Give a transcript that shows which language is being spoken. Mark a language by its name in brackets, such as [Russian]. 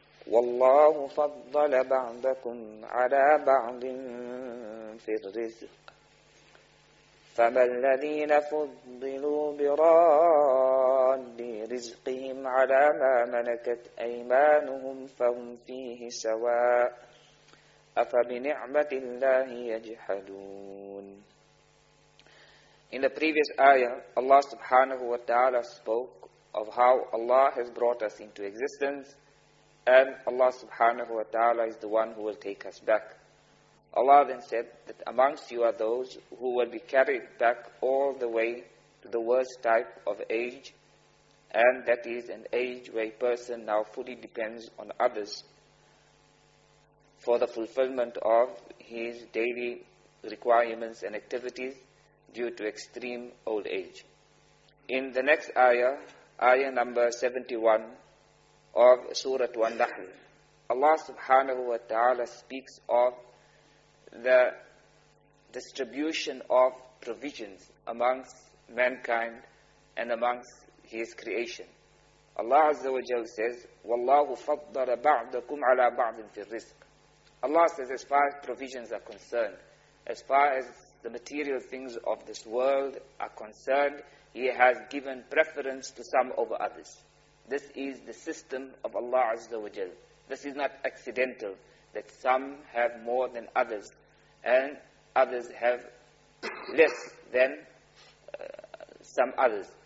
[Arabic] والله فضل بعضكم على بعض في الرزق فما الذين فضلوا براد رزقهم على ما ملكت أيمانهم فهم فيه سواء أفبنعمة الله يجحدون. [English] In the previous ayah, Allah subhanahu wa ta'ala spoke of how Allah has brought us into existence and Allah subhanahu wa ta'ala is the one who will take us back. Allah then said that amongst you are those who will be carried back all the way to the worst type of age, and that is an age where a person now fully depends on others for the fulfillment of his daily requirements and activities due to extreme old age. In the next ayah, ayah number 71 of Surah An-Nahl, Allah subhanahu wa ta'ala speaks of the distribution of provisions amongst mankind and amongst His creation. Allah azza wa jal says, [Arabic] وَاللَّهُ فَضَّرَ بَعْضَكُمْ عَلَىٰ بَعْضٍ فِي الرِّزْقِ. [English] Allah says, as far as provisions are concerned, as far as the material things of this world are concerned, He has given preference to some over others. This is the system of Allah Azza wa Jal. This is not accidental that some have more than others and others have less than some others.